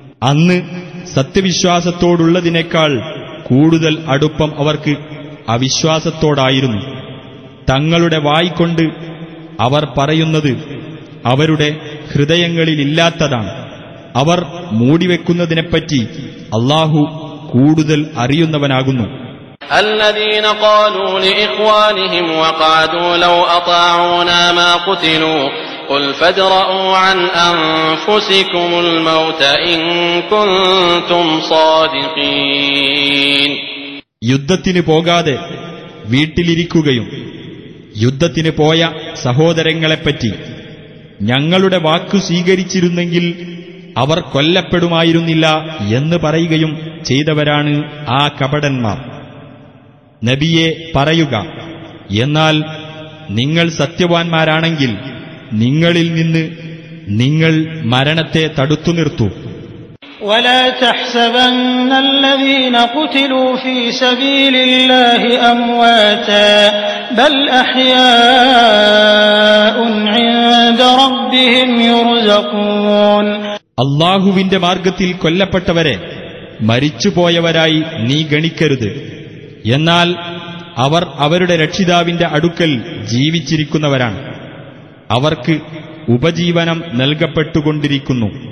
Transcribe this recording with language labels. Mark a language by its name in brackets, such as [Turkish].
[Malayalam] അന്ന് സത്യവിശ്വാസത്തോടുള്ളതിനേക്കാൾ കൂടുതൽ അടുപ്പം അവർക്ക് അവിശ്വാസത്തോടായിരുന്നു. തങ്ങളുടെ വായിക്കൊണ്ട് അവർ പറയുന്നത് അവരുടെ ഹൃദയങ്ങളിലില്ലാത്തതാണ്. അവർ മൂടിവെക്കുന്നതിനെപ്പറ്റി അല്ലാഹു കൂടുതൽ അറിയുന്നവനാകുന്നു. [Arabic] الذين قالوا لإخوانهم وقعدوا لو أطاعونا ما قتلوا قل فادرؤوا عن أنفسكم الموت إن كنتم صادقين. [Malayalam] യുദ്ധത്തിന് പോകാതെ വീട്ടിലിരിക്കുകയും യുദ്ധത്തിന് പോയ സഹോദരങ്ങളെപ്പറ്റി ഞങ്ങളുടെ വാക്കു സ്വീകരിച്ചിരുന്നെങ്കിൽ അവർ കൊല്ലപ്പെടുമായിരുന്നില്ല എന്ന് പറയുകയും ചെയ്തവരാണ് ആ കപടന്മാർ. നബിയെ പറയുക, എന്നാൽ നിങ്ങൾ സത്യവാന്മാരാണെങ്കിൽ നിങ്ങളിൽ നിന്ന് നിങ്ങൾ മരണത്തെ തടുത്തു നിർത്തൂ. [Arabic] ولا تحسبن الذين قتلوا في سبيل الله أمواتا بل أحياء عند ربهم يرزقون. [Malayalam] അല്ലാഹുവിന്റെ മാർഗത്തിൽ കൊല്ലപ്പെട്ടവരെ മരിച്ചുപോയവരായി നീ ഗണിക്കരുത്, എന്നാൽ അവർ അവരുടെ രക്ഷിതാവിന്റെ അടുക്കൽ ജീവിച്ചിരിക്കുന്നവരാണ്, അവർക്ക് ഉപജീവനം നൽകപ്പെട്ടുകൊണ്ടിരിക്കുന്നു.